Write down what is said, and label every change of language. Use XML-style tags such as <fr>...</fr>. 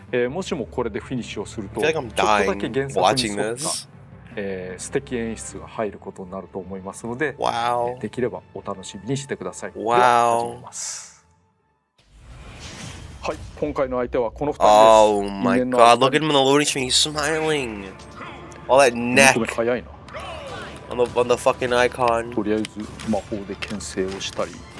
<ja>もしもこれでフィニッシュをすると、素敵な演出が入ることになると思いますので、できればお楽しみにしてください。</ja> <en>Wow。</en> <ja>はい、今回の相手はこの2人です。</ja> <en>Oh my god, look at him, the Lord, he's smiling. All that neck. On the fucking icon.</en> <ja>とりあえず魔法で牽制をしたり。</ja>